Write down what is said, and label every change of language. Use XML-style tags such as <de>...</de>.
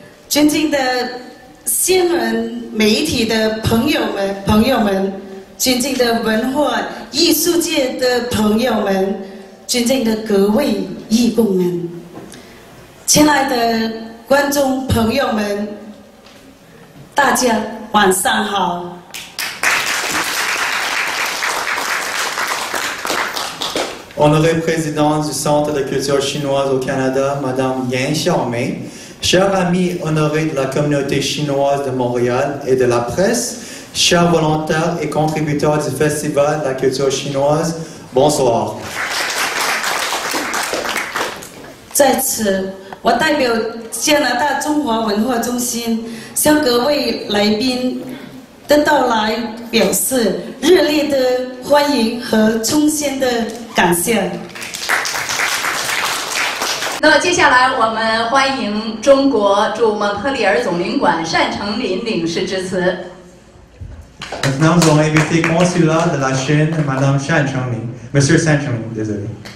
<zh>尊敬的新闻媒体的朋友们，尊敬的文化艺术界的朋友们，尊敬的各位义工们，亲爱的观众朋友们，大家晚上好。</zh> <fr>Honorée présidente du Centre de culture chinoise au Canada, Madame Yan Xiaomei. Chers amis honorés de la communauté chinoise de Montréal et de la presse, chers volontaires et contributeurs du Festival de la culture chinoise, bonsoir.</fr> <zh>在此，我代表加拿大中华文化中心向各位来宾的到来表示热烈的欢迎和衷心的感谢。那么接下来我们欢迎中国驻蒙特利尔总领馆单成林领事致辞。</zh> <fr>Nous avons invité consulat de la Chine, Madame Shan Chengling, Monsieur Shan Chengling, désolé.</fr>